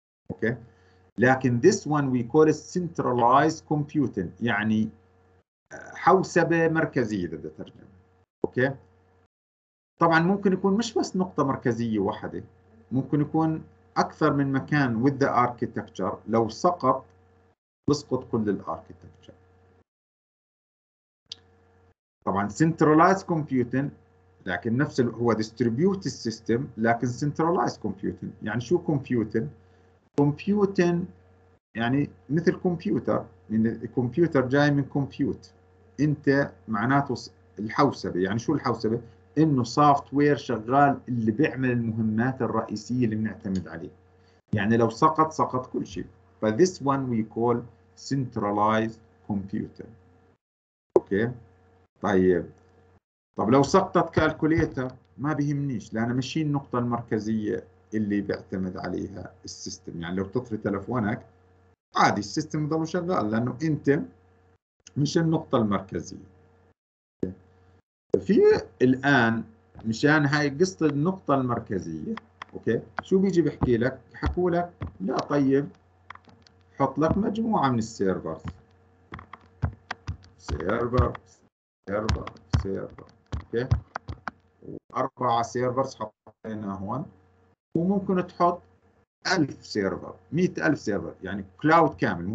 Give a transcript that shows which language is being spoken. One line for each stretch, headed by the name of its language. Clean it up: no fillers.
Arabic: اوكي لكن
English: this one we call it centralized computing،
Arabic: يعني حوسبه مركزيه اذا بدي اترجم. اوكي طبعا ممكن يكون مش بس نقطه مركزيه واحده، ممكن يكون اكثر من مكان
English: with the architecture.
Arabic: لو سقط بسقط كل الاركيتكتشر. طبعا centralized computing لكن نفس هو distributed system لكن centralized computing. يعني شو computing؟ computing يعني مثل كمبيوتر، من الكمبيوتر جاي من compute. انت معناته الحوسبه. يعني شو الحوسبه؟ انه سوفت وير شغال اللي بيعمل المهمات الرئيسيه اللي بنعتمد عليه. يعني لو سقط سقط كل شيء.
English: ف this one we call centralized computer.
Arabic: اوكي طيب طب لو سقطت كالكوليتر ما بهمنيش، لأن مشي النقطة المركزية اللي بيعتمد عليها السيستم. يعني لو تطفي تلفونك عادي السيستم يضل شغال، لأنه أنت مش النقطة المركزية. في الآن مشان هاي قصة النقطة المركزية، أوكي، شو بيجي بحكي لك؟ حكوا لك لا، طيب حط لك مجموعة من السيرفرز، سيرفر سيرفر سيرفر، أوكي، وأربعة سيرفرز حطينا هون، وممكن تحط 1000 سيرفر، 100,000 سيرفر، يعني كلاود كامل.